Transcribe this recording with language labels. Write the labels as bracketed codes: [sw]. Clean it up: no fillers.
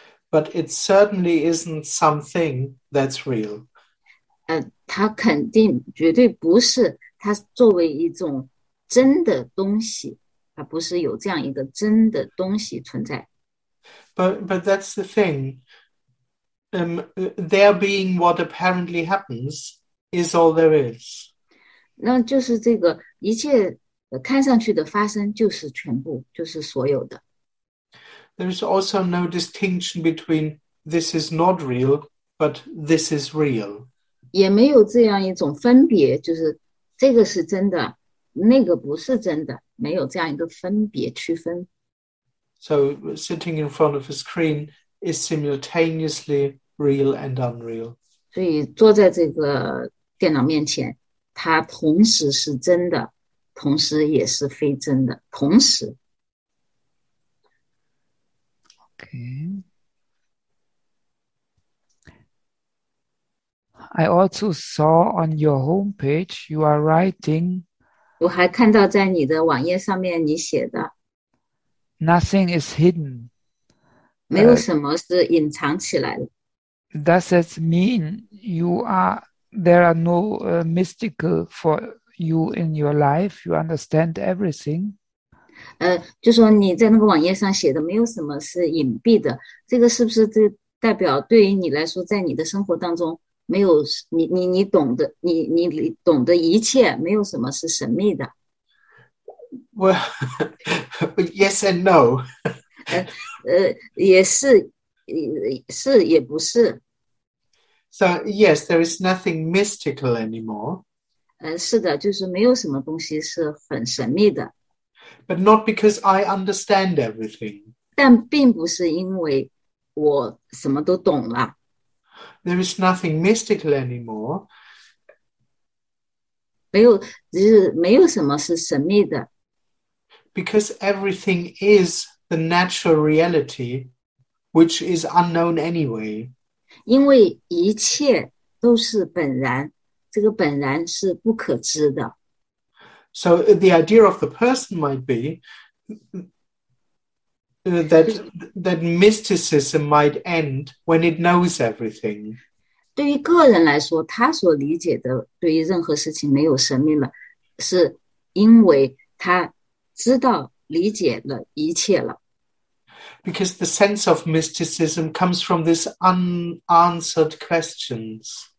[en] But it certainly isn't something that's real. [zh] 它肯定绝对不是，它作为一种真的东西，它不是有这样一个真的东西存在。 [en] But that's the thing. There being what apparently happens is all there is. [zh] 那就是这个一切看上去的发生就是全部，就是所有的。 [en] There is also no distinction between this is not real, but this is real. [zh] 也没有这样一种分别，就是这个是真的，那个不是真的，没有这样一个分别区分。 [en] So sitting in front of a screen is simultaneously real and unreal. [zh] 所以坐在这个电脑面前，它同时是真的，同时也是非真的，同时。 [en] Okay. I also saw on your homepage you are writing. [zh] 我还看到在你的网页上面你写的。 [en] Nothing is hidden. [zh] 没有什么是隐藏起来的。 [en] Does that mean you are, there are no mystical for you in your life? You understand everything? [zh] 就说你在那个网页上写的没有什么是隐蔽的，这个是不是就代表对于你来说，在你的生活当中没有你懂的，你懂的一切没有什么是神秘的？ [en] Well, yes and no. [zh] 也是，是也不是。 [en] So yes, there is nothing mystical anymore. [zh] 是的，就是没有什么东西是很神秘的。 [en] But not because I understand everything. [zh] 但并不是因为我什么都懂了。 [en] There is nothing mystical anymore. [zh] 没有什么是神秘的。 [en] Because everything is the natural reality, which is unknown anyway. [zh] 因为一切都是本然，这个本然是不可知的。 [en] So the idea of the person might be that mysticism might end when it knows everything. [zh] 对于个人来说，他所理解的对于任何事情没有神秘了，是因为他知道理解了一切了。 [en] Because the sense of mysticism comes from this unanswered questions.